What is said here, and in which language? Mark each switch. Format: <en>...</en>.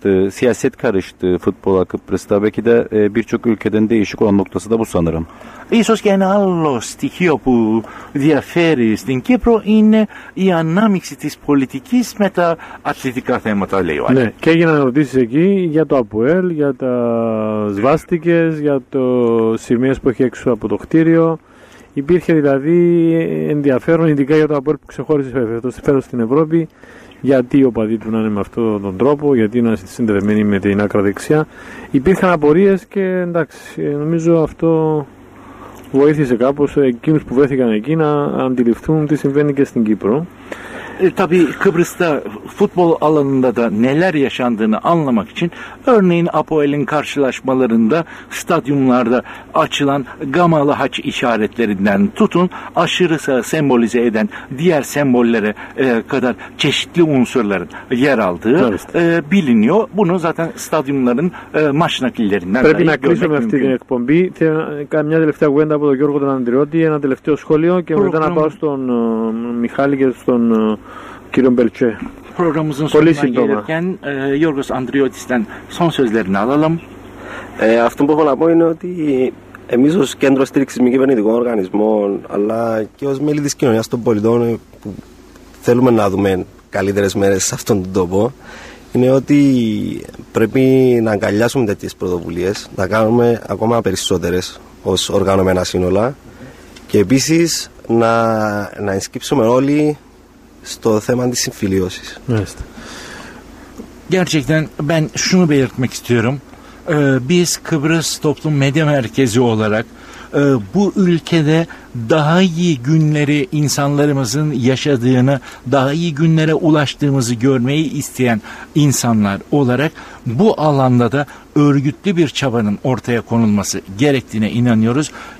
<tr>Siyaset karıştı futbola Kıbrıs'ta. Belki de birçok ülkeden değişik olan noktası da bu sanırım.</tr> <el>Ίσως και ένα άλλο στοιχείο που διαφέρει στην Κύπρο είναι η ανάμειξη της πολιτικής με τα αθλητικά θέματα, λέει ο Άλλη. Ναι, και έγιναν ερωτήσεις εκεί για το ΑΠΟΕΛ, για τα σβάστικες, για το σημείο που έχει έξω από το κτίριο. Υπήρχε δηλαδή ενδιαφέρον, ειδικά για το ΑΠΟΕΛ που ξεχώρισε φέτος στην Ευρώπη, γιατί οι οπαδοί του να είναι με αυτόν τον τρόπο, γιατί να είναι συνδεδεμένοι με την άκρα δεξιά. Υπήρχαν απορίες και εντάξει, νομίζω αυτό βοήθησε κάπως εκείνους που βρέθηκαν εκεί να αντιληφθούν τι συμβαίνει και στην Κύπρο.</el> <tr>Tabii Kıbrıs'ta futbol alanında da neler yaşandığını anlamak için örneğin APOEL'in karşılaşmalarında stadyumlarda açılan gamalı haç işaretlerinden tutun aşırı sağ sembolize eden diğer sembollere kadar çeşitli unsurların yer aldığı biliniyor. Bunu zaten stadyumların maç nakillerinden de görmek mümkün.</tr> <el>Γιώργο τον Αντριώτη, ένα τελευταίο σχόλιο και μετά να πάω στον Μιχάλη και στον κύριο Μπελτσέ. Προγραμμάζουμε πολύ σύντομα. Γιώργο Αντριώτη, ήταν σόνσο Λερνάδαλαμ. Αυτό που έχω να πω είναι ότι εμείς ως κέντρο στήριξης μη κυβερνητικών οργανισμών, αλλά και ως μέλη της κοινωνίας των πολιτών που θέλουμε να δούμε καλύτερες μέρες σε αυτόν τον τόπο, είναι ότι πρέπει να αγκαλιάσουμε τέτοιες πρωτοβουλίες, να κάνουμε ακόμα περισσότερες ως οργανωμένα σύνολα και επίσης να ενσκύψουμε όλοι στο θέμα της συμφιλίωσης.</el> <tr>Gerçekten ben şunu belirtmek istiyorum. Biz Kıbrıs Toplum Medya Merkezi olarak bu ülkede daha iyi günleri insanlarımızın yaşadığını, daha iyi günlere ulaştığımızı görmeyi isteyen insanlar olarak bu alanda da örgütlü bir çabanın ortaya konulması gerektiğine inanıyoruz.</tr>